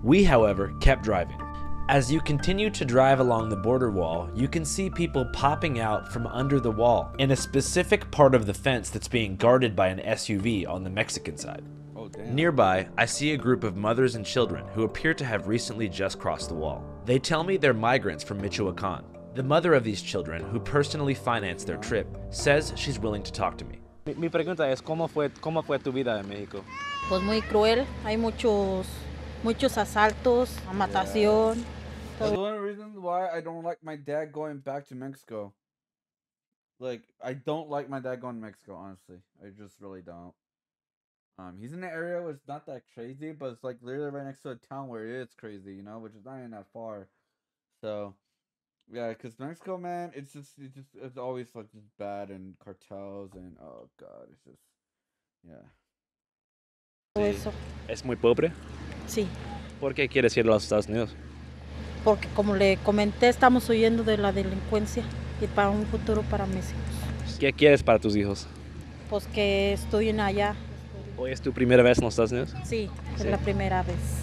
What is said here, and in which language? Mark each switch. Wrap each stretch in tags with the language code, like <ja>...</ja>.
<en>We, however, kept driving. As you continue to drive along the border wall, you can see people popping out from under the wall in a specific part of the fence that's being guarded by an SUV on the Mexican side. Oh, damn. Nearby, I see a group of mothers and children who appear to have recently just crossed the wall. They tell me they're migrants from Michoacan. The mother of these children, who personally financed their trip, says she's willing to talk to me.</en> <es>Mi pregunta es cómo fue tu vida en México. Pues muy cruel. Hay muchos asaltos, matación.</es> <en>Yeah. So the only reason why I don't like my dad going back to Mexico, like I don't like my dad going to Mexico. Honestly, I just really don't. He's in an area where it's not that crazy, but it's like literally right next to a town where it is crazy, you know, which is not even that far. So, yeah, because Mexico, man, it's always like just bad and cartels and oh god, it's just yeah.</en> <es>Es muy pobre. Sí. ¿Por qué quieres ir a los Estados Unidos? Porque como le comenté, estamos huyendo de la delincuencia y para un futuro para mis hijos. ¿Qué quieres para tus hijos? Pues que estudien allá. ¿Hoy es tu primera vez en los Estados Unidos? Sí, es la primera vez.</es>